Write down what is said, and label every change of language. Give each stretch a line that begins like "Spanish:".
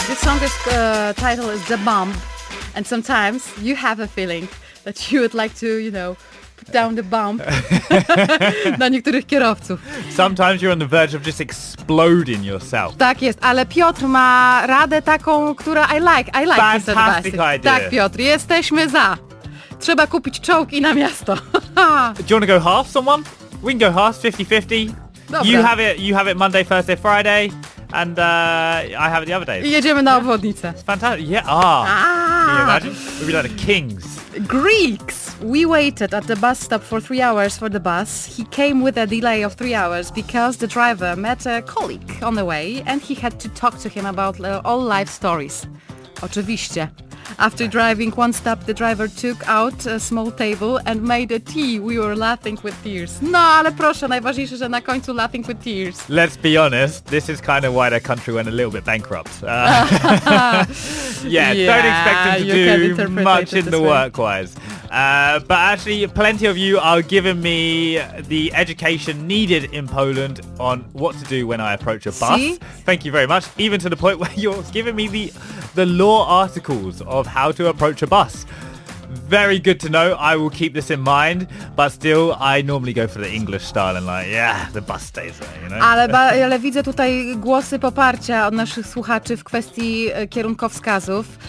English: song is title is The Bomb, and sometimes you have a feeling that you would like to, you know, put down the bomb
Polish: na niektórych kierowców.
English: Sometimes you're on the verge of just exploding yourself.
Polish: Tak jest, ale Piotr ma radę taką, która I like
English: this advice. Fantastic idea.
Polish: Tak, Piotr, jesteśmy za. Trzeba kupić czołg i na miasto.
English: Do you want to go half someone? We can go half, 50-50.
Polish: Dobra.
English: You have it Monday, Thursday, Friday, and I have it the other days.
Polish: I jedziemy na obwodnicę.
English: It's fantastic. Yeah. Ah. Can you imagine? We'd be like the kings. Greeks. We waited at the bus stop for 3 hours for the bus. He came with a delay of 3 hours because the driver met a colleague on the way and he had to talk to him about all life stories.
Polish: Oczywiście.
English: After driving one stop, the driver took out a small table and made a tea. We were laughing with tears.
Polish: No, ale proszę, najważniejsze, że na końcu
English: laughing with tears. Let's be honest, this is kind of why the country went a little bit bankrupt. Don't expect him to do much in the work-wise. But actually, plenty of you are giving me the education needed in Poland on what to do when I approach a bus. See? Thank you very much. Even to the point where you're giving me the law articles of how to approach a bus. Very good to know. I will keep this in mind. But still, I normally go for the English style and like, yeah, the bus stays there, you know?
Polish: Ale widzę tutaj głosy poparcia od naszych słuchaczy w kwestii kierunkowskazów.